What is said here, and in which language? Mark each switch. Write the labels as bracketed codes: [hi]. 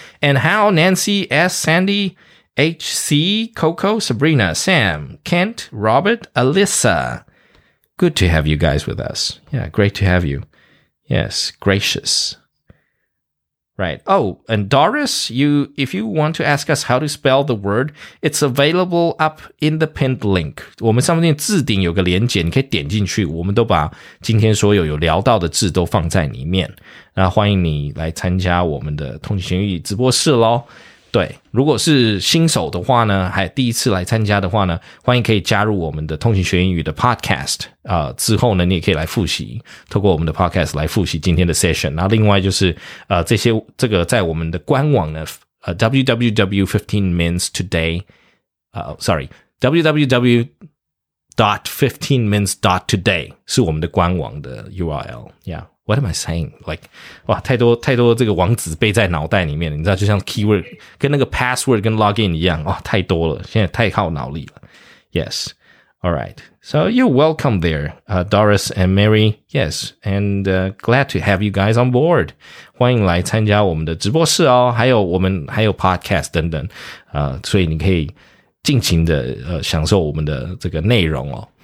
[en] And Hao, Nancy, S, Sandy, HC, Coco, Sabrina, Sam, Kent, Robert, Alyssa. Good to have you guys with us. Yeah, great to have you. Yes, gracious. Right. Oh, and Doris, if you want to ask us how to spell the word, it's available up in the pinned link. [zh] 我们上面置顶有个连结，你可以点进去，我们都把今天所有聊到的字都放在里面。那欢迎你来参加我们的通勤英语直播室咯。对，如果是新手的话呢，还第一次来参加的话呢，欢迎可以加入我们的通勤学英语的 podcast 之后呢，你也可以来复习，透过我们的 podcast 来复习今天的 session。那另外就是这个在我们的官网呢，www.15mins.today 是我们的官网的 URL， yeah。 [en] What am I saying? Like, [zh] 哇，太多这个网址背在脑袋里面了，你知道，就像 keyword 跟那个 password 跟 login 一样，哇，太多了，现在太耗脑力了。 [en] Yes, all right. So you're welcome there, Doris and Mary. Yes, and glad to have you guys on board. [zh] 欢迎来参加我们的直播室哦，还有 podcast 等等，所以你可以尽情的享受我们的这个内容哦。